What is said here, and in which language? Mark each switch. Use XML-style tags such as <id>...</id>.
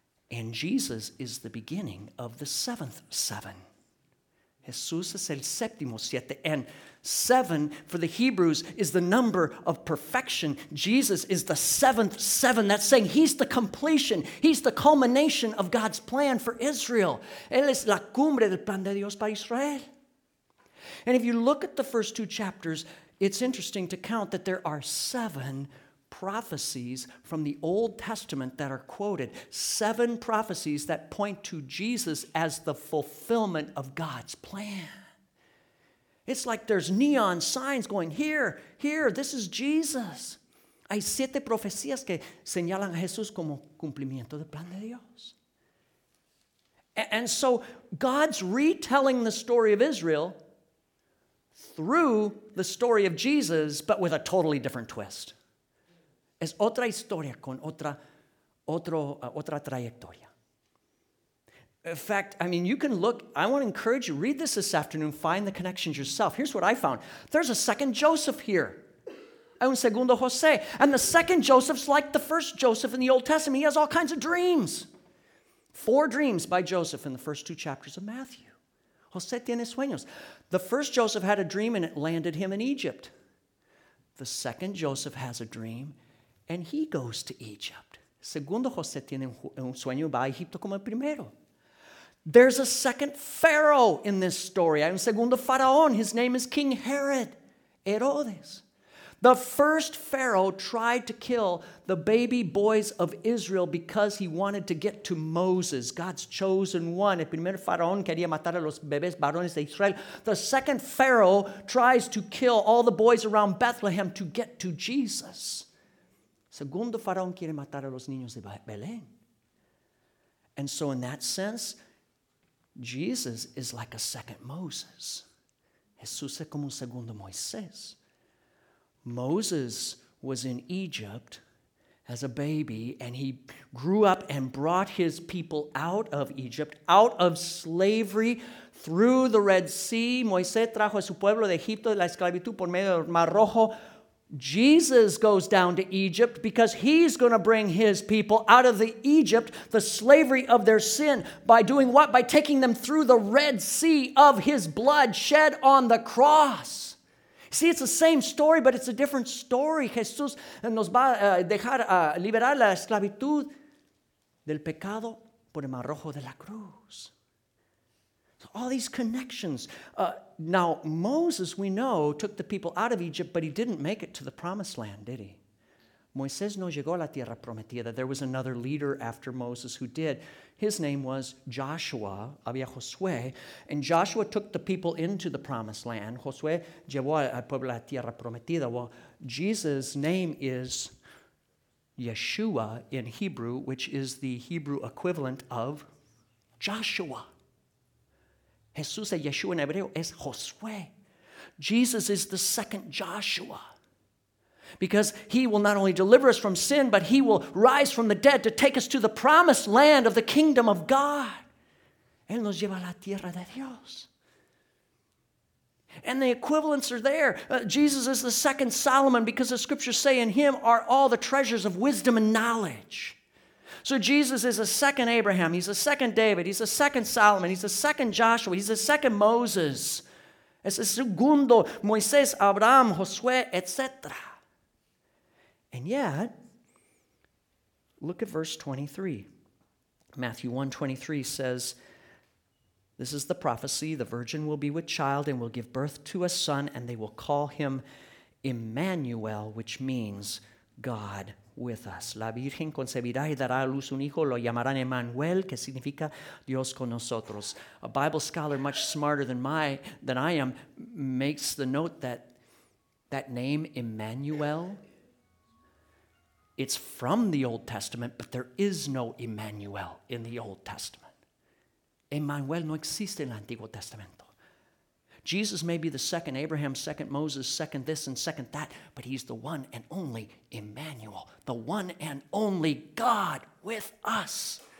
<en>And Jesus is the beginning of the seventh seven.</en> <es>Jesús es el séptimo siete.</es> <en>And seven for the Hebrews is the number of perfection. Jesus is the seventh seven. That's saying he's the completion. He's the culmination of God's plan for Israel.</en> <es>Él es la cumbre del plan de Dios para Israel.</es> <en>And if you look at the first two chapters, it's interesting to count that there are seven prophecies from the Old Testament that are quoted. Seven prophecies that point to Jesus as the fulfillment of God's plan. It's like there's neon signs going, here, here, this is Jesus.</en> <es>Hay siete profecías que señalan a Jesús como cumplimiento del plan de Dios.</es> <en>And so God's retelling the story of Israel through the story of Jesus, but with a totally different twist.</en> <es>Es otra historia con otra trayectoria.</es> <en>In fact, I mean, you can look. I want to encourage you. Read this afternoon. Find the connections yourself. Here's what I found. There's a second Joseph here.</en> <es>Hay un segundo José.</es> <en>And the second Joseph's like the first Joseph in the Old Testament. He has all kinds of dreams. Four dreams by Joseph in the first two chapters of Matthew.</en> <es>José tiene sueños.</es> <en>The first Joseph had a dream and it landed him in Egypt. The second Joseph has a dream and he goes to Egypt.</en> <es>Segundo José tiene un sueño y va a Egipto como el primero.</es> <en>There's a second Pharaoh in this story.</en> <es>Hay un segundo faraón.</es> <en>His name is King Herod.</en> <es>Herodes.</es> <en>The first Pharaoh tried to kill the baby boys of Israel because he wanted to get to Moses, God's chosen one.</en> <es>El primer faraón quería matar a los bebés varones de Israel.</es> <en>The second Pharaoh tries to kill all the boys around Bethlehem to get to Jesus.</en> <es>Segundo faraón quiere matar a los niños de Belén.</es> <en>And so in that sense, Jesus is like a second Moses.</en> <es>Jesús es como un segundo Moisés.</es> <en>Moses was in Egypt as a baby, and he grew up and brought his people out of Egypt, out of slavery, through the Red Sea.</en> <es>Moisés trajo a su pueblo de Egipto de la esclavitud por medio del Mar Rojo.</es> <en>Jesus goes down to Egypt because he's going to bring his people out of the Egypt, the slavery of their sin, by doing what? By taking them through the Red Sea of his blood shed on the cross. See, it's the same story, but it's a different story.</en> <es>Jesús nos va a dejar liberar la esclavitud del pecado por el Mar Rojo de la cruz.</es> <en>So all these connections. Now, Moses, we know, took the people out of Egypt, but he didn't make it to the promised land, did he?</en> <es>Moisés no llegó a la tierra prometida.</es> <en>There was another leader after Moses who did. His name was Joshua,</en> <es>había Josué,</es> <en>and Joshua took the people into the promised land.</en> <es>Josué llevó al pueblo a la tierra prometida.</es> <en>Well, Jesus' name is Yeshua in Hebrew, which is the Hebrew equivalent of Joshua.</en> <es>Jesús es Yeshua en hebreo, es Josué.</es> <en>Jesus is the second Joshua. Because he will not only deliver us from sin, but he will rise from the dead to take us to the promised land of the kingdom of God.</en> <es>Él nos lleva a la tierra de Dios.</es> <en>And the equivalents are there. Jesus is the second Solomon because the scriptures say in him are all the treasures of wisdom and knowledge. So Jesus is a second Abraham. He's a second David. He's a second Solomon. He's a second Joshua. He's a second Moses.</en> <es>Es el segundo Moisés, Abraham, Josué, etc.</es> <en>And yet, look at verse 23. Matthew 1:23 says, this is the prophecy, the virgin will be with child and will give birth to a son, and they will call him Emmanuel, which means God with us.</en> <es>La virgen concebirá y dará a luz un hijo, lo llamarán Emmanuel, que significa Dios con nosotros.</es> <en>A Bible scholar much smarter than I am makes the note that name Emmanuel, it's from the Old Testament, but there is no Emmanuel in the Old Testament.</en> <es>Emmanuel no existe en el Antiguo Testamento.</es> <en>Jesus may be the second Abraham, second Moses, second this and second that, but he's the one and only Emmanuel, the one and only God with us.</en>